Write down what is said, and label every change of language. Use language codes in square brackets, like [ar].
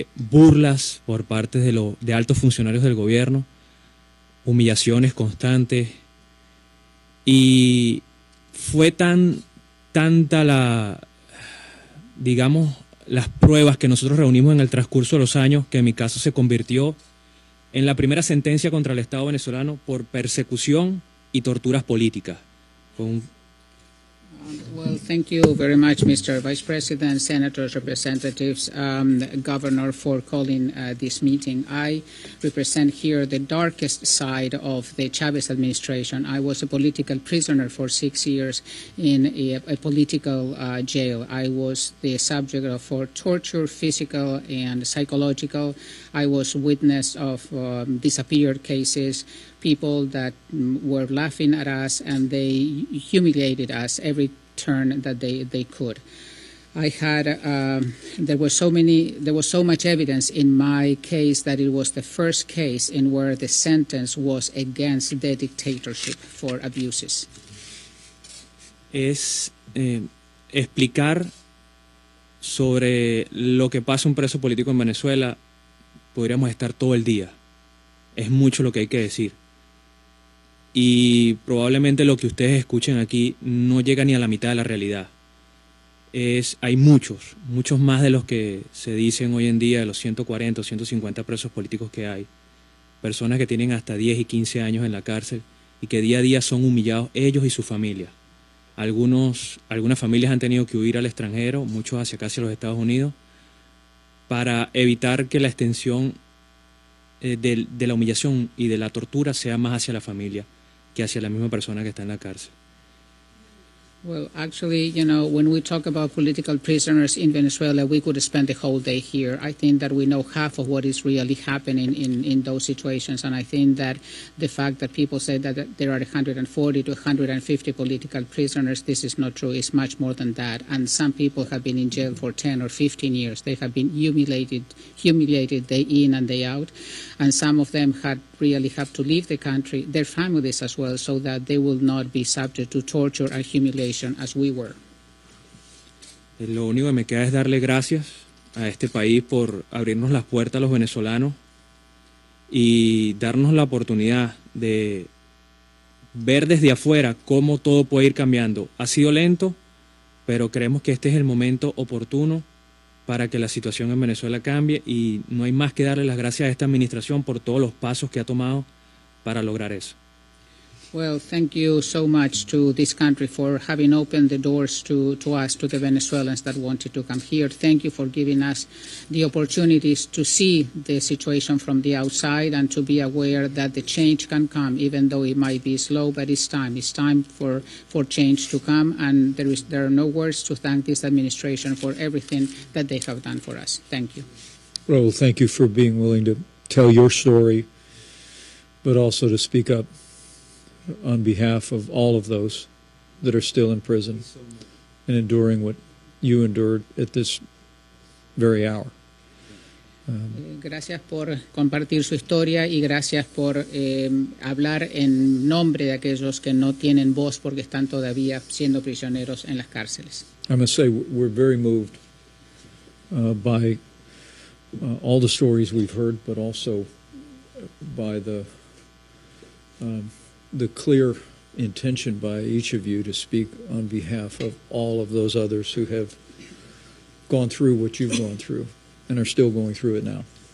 [es] burlas por parte de altos funcionarios del gobierno, humillaciones constantes, y fue tanta la, digamos, las pruebas que nosotros reunimos en el transcurso de los años, que mi caso se convirtió en la primera sentencia contra el Estado venezolano por persecución y torturas políticas. [en] Well, thank you very much, Mr. Vice President, Senators, Representatives, Governor, for calling this meeting. I represent here the darkest side of the Chavez administration. I was a political prisoner for 6 years in a political jail. I was the subject of torture, physical and psychological. I was witness of disappeared cases. People that were laughing at us, and they humiliated us every turn that they could. I had there was so much evidence in my case that it was the first case in where the sentence was against the dictatorship for abuses. [es] Es explicar sobre lo que pasa un preso político en Venezuela, podríamos estar todo el día. Es mucho lo que hay que decir. Y probablemente lo que ustedes escuchen aquí no llega ni a la mitad de la realidad. hay muchos, muchos más de los que se dicen hoy en día, de los 140 o 150 presos políticos que hay, personas que tienen hasta 10 y 15 años en la cárcel y que día a día son humillados ellos y su familia. Algunas familias han tenido que huir al extranjero, muchos hacia los Estados Unidos, para evitar que la extensión de la humillación y de la tortura sea más hacia la familia que hacia la misma persona que está en la cárcel. [en] Well, actually, you know, when we talk about political prisoners in Venezuela, we could spend the whole day here. I think that we know half of what is really happening in those situations. And I think that the fact that people say that there are 140 to 150 political prisoners, this is not true. It's much more than that. And some people have been in jail for 10 or 15 years. They have been humiliated day in and day out. And some of them had really have to leave the country, their families as well, so that they will not be subject to torture and humiliation as we were. [es] Lo único que me queda es darle gracias a este país por abrirnos las puertas a los venezolanos y darnos la oportunidad de ver desde afuera cómo todo puede ir cambiando. Ha sido lento, pero creemos que este es el momento oportuno para que la situación en Venezuela cambie, y no hay más que darle las gracias a esta administración por todos los pasos que ha tomado para lograr eso. [en] Well, thank you so much to this country for having opened the doors to us, to the Venezuelans that wanted to come here. Thank you for giving us the opportunities to see the situation from the outside and to be aware that the change can come, even though it might be slow, but it's time. It's time for change to come, and there are no words to thank this administration for everything that they have done for us. Thank you. Raul, thank you for being willing to tell your story, but also to speak up on behalf of all of those that are still in prison and enduring what you endured at this very hour. [es] Gracias por compartir su historia y gracias por hablar en nombre de aquellos que no tienen voz porque están todavía siendo prisioneros en las cárceles. [en] I must say we're very moved by all the stories we've heard, but also by the clear intention by each of you to speak on behalf of all of those others who have gone through what you've gone through and are still going through it now.